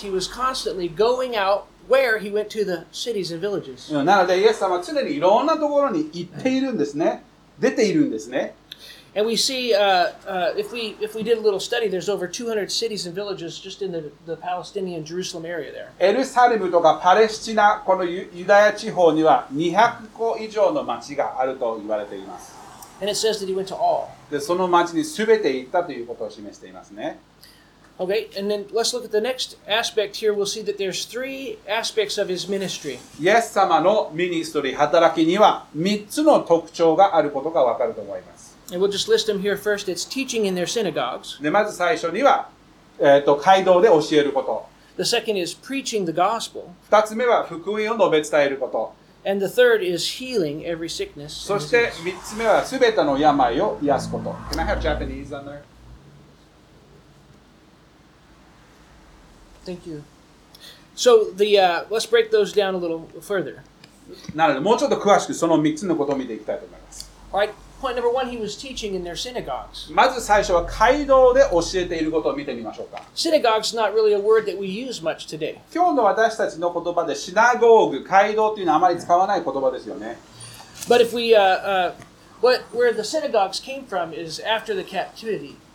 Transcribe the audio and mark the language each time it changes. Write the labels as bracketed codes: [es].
[en] He was constantly going out where he went to the cities and villages. [ja] なのでイエス様は常にいろんなところに行っているんですね。出ているんですね。 [en] And we see if we did a little study, there's over 200 cities and villages just in the Palestinian Jerusalem area there. [ja] エルサレムとかパレスチナこのユダヤ地方には200個以上の町があると言われています。 [en] And it says that he went to all. [ja] でその町にすべて行ったということを示していますね。 [en] Okay, and then let's look at the next aspect here. We'll see that there's three aspects of his ministry. [ja] イエス様のミニストリー働きには3つの特徴があることがわかると思います。 [en] And we'll just list them here first. It's teaching in their synagogues. [ja] で、まず最初には、街道で教えること。 [en] The second is preaching the gospel. [ja] 二つ目は福音を述べ伝えること。 [en] And the third is healing every sickness. [ja] そして三つ目は全ての病を癒すこと。 [en] Can I have Japanese on there? Thank you. So let's break those down a little further. [ja] なので、もうちょっと詳しくその三つのことを見ていきたいと思います。 [en] Right. Point number one, he was teaching in their synagogues. [ja] まず最初は街道で教えていることを見てみましょうか。 [en] Synagogue's not really a word that we use much today. [ja] 今日の私たちの言葉でシナゴーグ、街道というのはあまり使わない言葉ですよね。 [en] But if we, where the synagogues came from is after the captivity.